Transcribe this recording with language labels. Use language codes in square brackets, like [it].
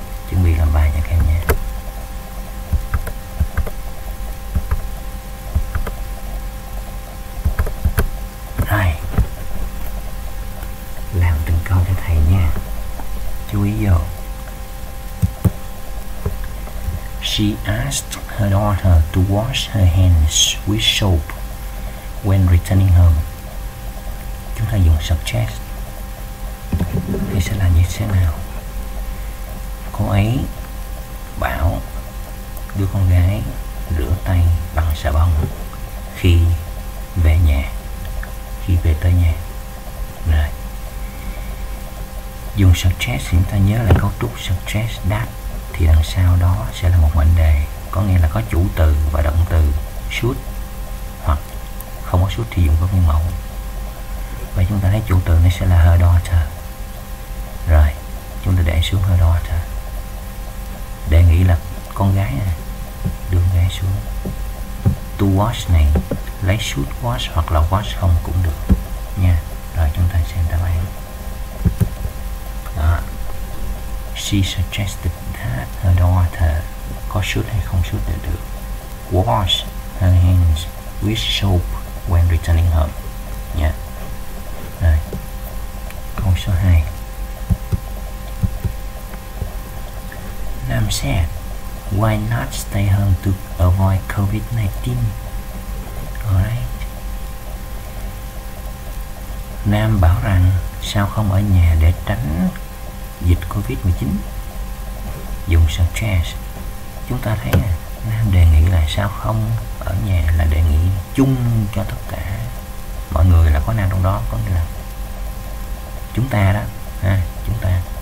[vi] Chuẩn bị làm bài nha các em nha. Rồi, làm từng câu cho thầy nha, chú ý vô. [en] She asked her daughter to wash her hands with soap when returning home. [vi] Chúng ta dùng subject thì sẽ là như thế nào? Cô ấy bảo đứa con gái rửa tay bằng xà bông khi về nhà, khi về tới nhà. Rồi, dùng subject thì chúng ta nhớ là cấu trúc subject that, thì đằng sau đó sẽ là một mệnh đề, có nghĩa là có chủ từ và động từ should, hoặc không có should thì dùng các nguyên mẫu. Và chúng ta thấy chủ từ nó sẽ là her daughter. Rồi, chúng ta để xuống her daughter, đề nghị là con gái à, đưa con gái xuống. To wash này, lấy should wash hoặc là wash không cũng được nha. Rồi, chúng ta xem đáp án. [en] Đó, she suggested that her daughter, [vi] có should hay không should được, [en] wash her hands with soap when returning home nha. [vi] Rồi, câu số 2. [en] Nam said, why not stay home to avoid COVID-19? Alright. [vi] Nam bảo rằng, sao không ở nhà để tránh dịch COVID-19? Dùng suggest. Chúng ta thấy à, Nam đề nghị là sao không ở nhà, là đề nghị chung cho tất cả mọi người, là có Nam trong đó, có nghĩa là chúng ta đó ha, chúng ta.